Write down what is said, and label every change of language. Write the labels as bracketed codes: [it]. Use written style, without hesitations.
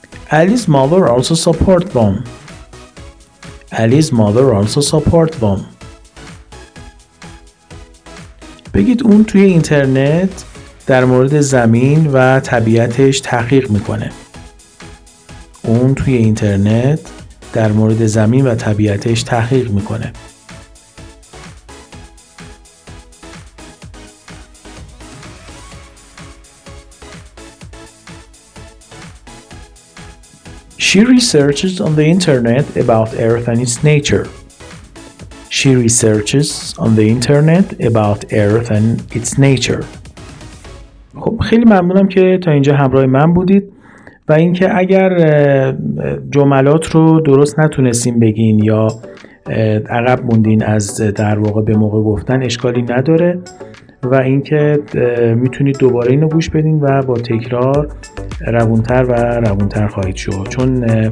[en] Ali's mother also support them. Ali's mother also support them. [fa] بگید اون توی اینترنت در مورد زمین و طبیعتش تحقیق میکنه. اون توی اینترنت در مورد زمین و طبیعتش تحقیق میکنه. [en] She researches on the internet about Earth and its nature. She researches on the internet about Earth and its nature. [fa] خب خیلی ممنونم که تا اینجا همراه من بودید و اینکه اگر جملات رو درست نتونستین بگین یا عقب موندین از در واقع به موقع گفتن اشکالی نداره و اینکه میتونید دوباره اینو گوش بدین و با تکرار روونتر و روونتر خواهید شد، چون